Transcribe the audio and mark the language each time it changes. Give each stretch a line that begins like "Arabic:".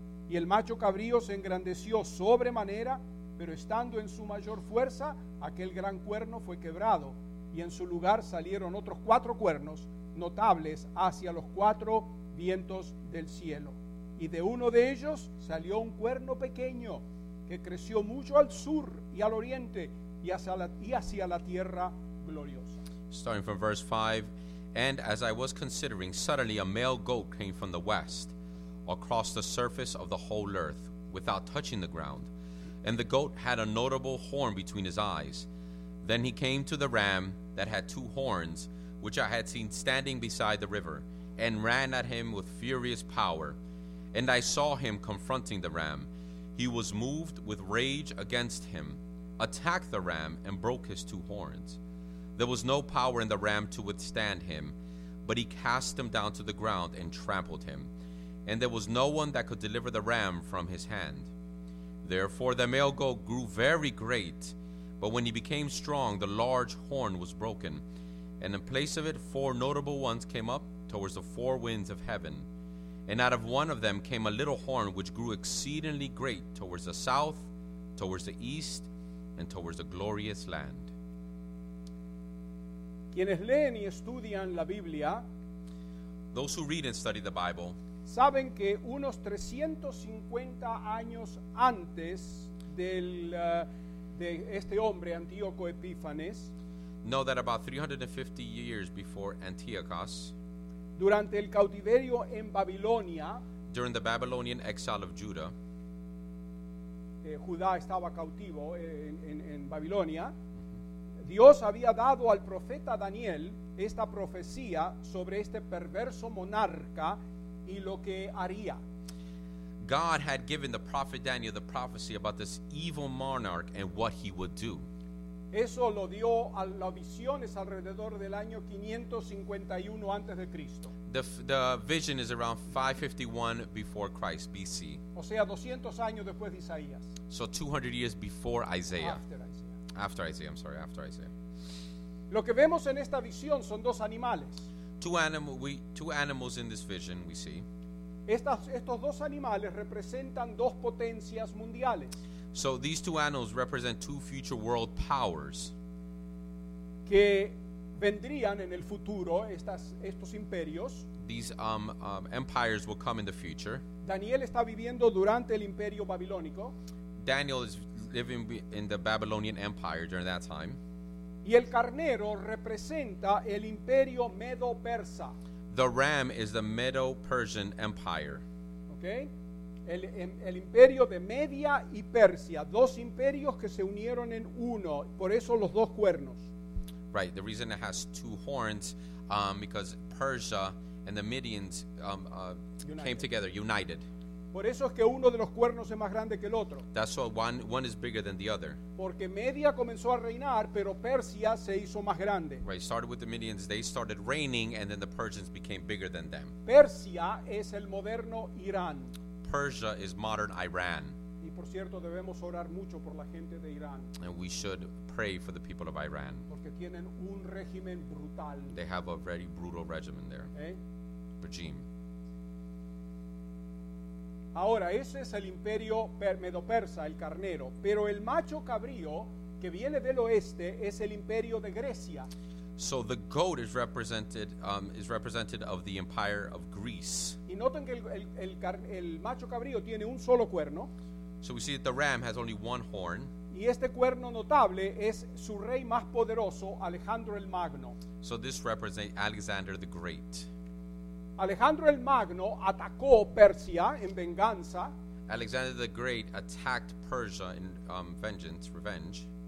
Spanish: Y el macho cabrío se engrandeció sobremanera, pero estando en su mayor fuerza, aquel gran cuerno fue quebrado, y en su lugar salieron otros cuatro cuernos notables hacia los cuatro vientos del cielo. Y de uno de ellos salió un cuerno pequeño que creció mucho al sur y al oriente y hacia la tierra gloriosa.
English: Starting from verse 5, and as I was considering, suddenly a male goat came from the west across the surface of the whole earth without touching the ground. And the goat had a notable horn between his eyes. Then he came to the ram that had two horns, which I had seen standing beside the river, and ran at him with furious power. And I saw him confronting the ram. He was moved with rage against him, attacked the ram, and broke his two horns. There was no power in the ram to withstand him, but he cast him down to the ground and trampled him. And there was no one that could deliver the ram from his hand. Therefore the male goat grew very great, but when he became strong, the large horn was broken. And in place of it, four notable ones came up towards the four winds of heaven. And out of one of them came a little horn, which grew exceedingly great towards the south, towards the east, and towards the glorious land.
Spanish: Quienes leen y estudian la Biblia,
English: those who read and study the Bible,
Spanish: saben que unos 350 años antes del de este hombre Antíoco Epífanes,
English: know that about 350 years before Antiochus,
Spanish: durante el cautiverio en Babilonia,
English: during the Babylonian exile of Judah,
Spanish: Judá estaba cautivo en Babilonia. Dios había dado al profeta Daniel esta profecía sobre este perverso monarca y lo que haría.
English: God had given the prophet Daniel the prophecy about this evil monarch and what he would do.
Spanish: Eso lo dio a las visiones alrededor del año 551 antes de Cristo.
English: The vision is around 551 before Christ BC.
Spanish: O sea, 200 años después de Isaías.
English: So 200 years before Isaiah. After Isaiah.
Spanish: Lo que vemos en esta visión son dos animales.
English: Two animals in this vision we see.
Spanish: Estos dos animales representan dos potencias mundiales.
English: So these two animals represent two future world powers.
Spanish: Que vendrían en el futuro estos imperios.
English: These empires will come in the future.
Spanish: Daniel está viviendo durante el imperio babilónico.
English: Daniel is living in the Babylonian Empire during that time.
Spanish: Y el carnero representa el imperio Medo-Persa.
English: The ram is the Medo-Persian Empire. Okay.
Spanish: El imperio de Media y Persia, dos imperios que se unieron en uno, por eso los dos cuernos.
English: Right, the reason it has two horns, because Persia and the Midians came together, united.
Spanish: Por eso es que uno de los cuernos es más grande que el otro.
English: That's why one is bigger than the other.
Spanish: Porque Media comenzó a reinar, pero Persia se hizo más grande.
English: Right, started with the Midians, they started reigning, and then the Persians became bigger than them.
Spanish: Persia es el moderno Irán.
English: Persia is modern Iran.
Spanish: Y por cierto, debemos orar mucho por la gente de Irán.
English: And we should pray for the people of Iran.
Spanish: Porque tienen un régimen brutal.
English: They have a very brutal regimen there. Regime.
Spanish: Ahora, ese es el imperio Medo-Persa, el carnero. Pero el macho cabrío, que viene del oeste, es el imperio de Grecia.
English: So the goat is represented of the empire of Greece.
Spanish: Y noten que el macho cabrío tiene un solo cuerno.
English: So we see that the ram has only one horn.
Spanish: Y este cuerno notable es su rey más poderoso, Alejandro el Magno.
English: So this represents Alexander the Great.
Spanish: Alejandro el Magno atacó Persia en venganza.
English: Alexander the Great attacked Persia in revenge.